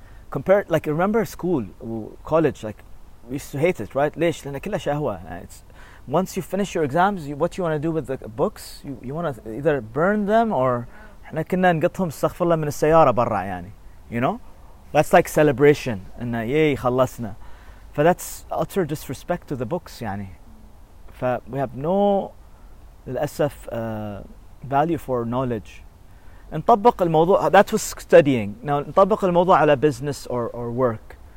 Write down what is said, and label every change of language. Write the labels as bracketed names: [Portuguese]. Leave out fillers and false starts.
[English] Compared, like, remember school, college, like, we used to hate it, right? [Arabic] ليش؟ لأن كلها شهوة. [English] It's, once you finish your exams, what you want to do with the books? You want to either burn them or [Arabic] إحنا كنا نقطهم استغفر الله من السيارة برا يعني. [English] You know? That's like celebration. [Arabic] إن يي خلصنا. [English] فthat's utter disrespect to the books يعني. فwe have no للأسف value for knowledge. [Arabic] نطبق الموضوع. [English] That was studying. Now [Arabic] نطبق الموضوع [English] على business or work.